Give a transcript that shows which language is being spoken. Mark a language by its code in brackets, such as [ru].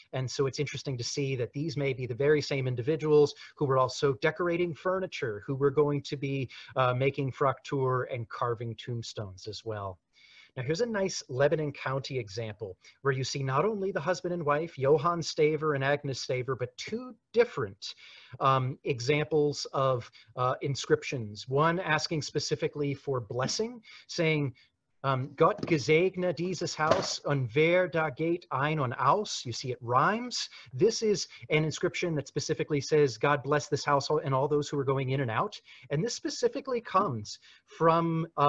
[en] And so it's interesting to see that these may be the very same individuals who were also decorating furniture, who were going to be making fracture and carving tombstones as well. Now here's a nice Lebanon County example where you see not only the husband and wife, Johann Staver and Agnes Staver, but two different examples of inscriptions. One asking specifically for blessing, saying, [de] Gott gesegne dieses Haus und wer da geht ein und aus. [en] You see it rhymes. This is an inscription that specifically says, God bless this household and all those who are going in and out. And this specifically comes from